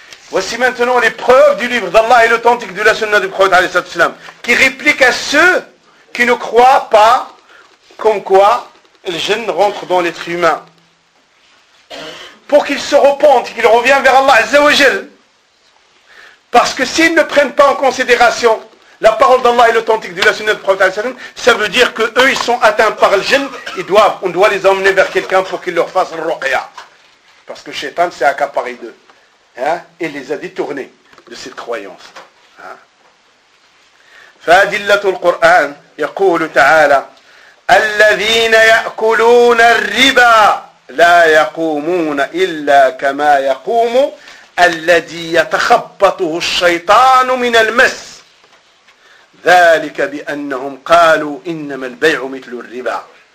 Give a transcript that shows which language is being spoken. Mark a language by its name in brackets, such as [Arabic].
[French] Voici maintenant les preuves du livre d'Allah et l'authentique de la sunna du prophète عليه الصلاه والسلام qui réplique à ceux qui ne croient pas comme quoi le jinn rentre dans l'être humain pour qu'il se repente qu'il revienne vers Allah عز وجل parce que s'ils ne prennent pas en considération La parole d'Allah est l'authentique de la sunna du prophète, ça veut dire qu'eux, ils sont atteints par le jinn, on doit les emmener vers quelqu'un pour qu'il leur fasse le ruqya. Parce que Shaitan s'est accaparé d'eux. Hein? Et les a détournés de cette croyance. [Arabic] فَأَدِلَّةُ الْقُرْآنِ يَقُولُ تَعَالَى الَّذِينَ يَأْكُلُونَ الرِّبَى لَا يَقُومُونَ إِلَّا كَمَا يَقُومُ الَّذِي يَتَخَبَّطُهُ الشَّيْطَانُ مِنَ الْمَسِّ ذلك بأنهم قالوا إنما البيع مثل الربا